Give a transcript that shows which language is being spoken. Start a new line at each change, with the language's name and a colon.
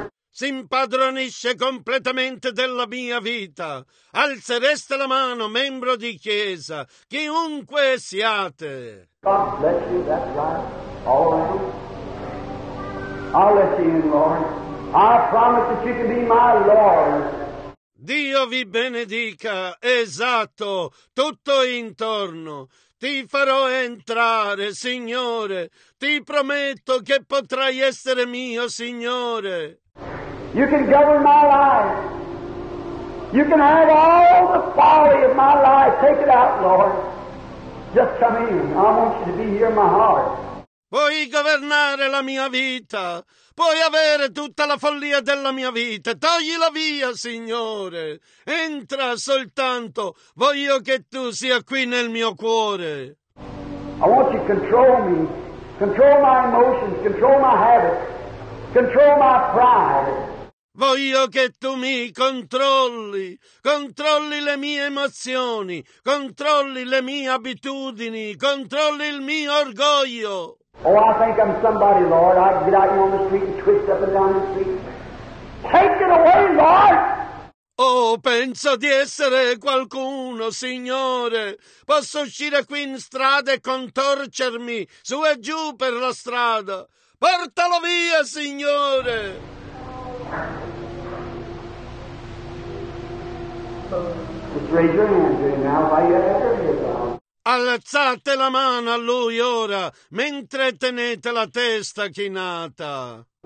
Italian: Si impadronisce completamente della mia vita. Alzereste la mano, membro di chiesa, chiunque siate.
English: God bless you, that's right. All right. I'll let you in, Lord. I promise that you can be my Lord.
Italian: Dio vi benedica, esatto, tutto intorno. Ti farò entrare, Signore. Ti prometto che potrai essere mio, Signore.
English: You can govern my life. You can have all the folly of my life. Take it out, Lord. Just come in. I want you to be here in my heart.
Italian: Puoi governare la mia vita. Puoi avere tutta la follia della mia vita. Toglila via, Signore. Entra soltanto. Voglio che tu sia qui nel mio cuore.
English: I want you to control me. Control my emotions. Control my habits. Control my pride.
Italian: Voglio che tu mi controlli. Controlli le mie emozioni. Controlli le mie abitudini. Controlli il mio orgoglio.
English: Oh, I think I'm somebody, Lord. I get out here on the street and twist up and down the street. Take it away, Lord!
Italian: Oh, penso di essere qualcuno, Signore. Posso uscire qui in strada e contorcermi su e giù per la strada. Portalo via, Signore!
English: Just raise your hand right now while you have your ears on.
Italian: Alzate la mano a lui ora, mentre tenete la testa chinata.